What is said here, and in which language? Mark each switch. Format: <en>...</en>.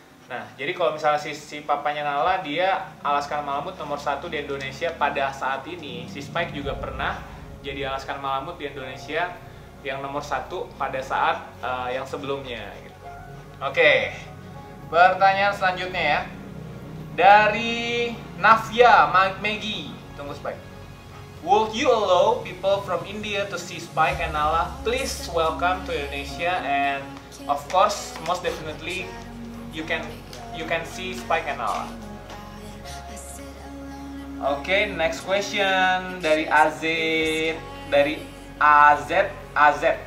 <id>Nah, jadi kalau misalnya si papanya Nala, dia Alaskan Malamut nomor 1 di Indonesia pada saat ini. Si Spike juga pernah jadi Alaskan Malamut di Indonesia yang nomor 1 pada saat yang sebelumnya gitu. Oke, pertanyaan selanjutnya ya. Dari Navya Maggie, tunggu Spike.</id> <en>Would you allow people from India to see Spike and Nala? Please welcome to Indonesia and of course, most definitely, you can see Spike and Nala. Okay, next question</en> <id>dari AZ, dari AZ AZ.</id>